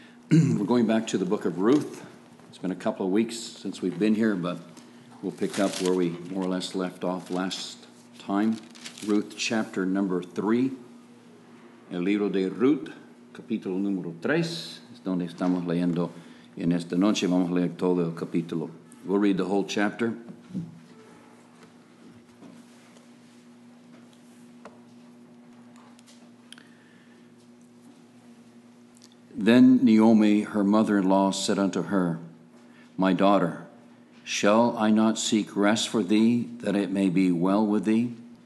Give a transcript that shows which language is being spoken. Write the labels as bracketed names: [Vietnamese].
[English] We're going back to the book of Ruth. It's been a couple of weeks since we've been here, but we'll pick up where we more or less left off last time. Ruth chapter number 3. [Spanish] El libro de Ruth, capítulo número 3. Es donde estamos leyendo en esta noche. Vamos a leer todo el capítulo. [English] We'll read the whole chapter. Then Naomi, her mother-in-law, said unto her, My daughter, shall I not seek rest for thee, that it may be well with thee?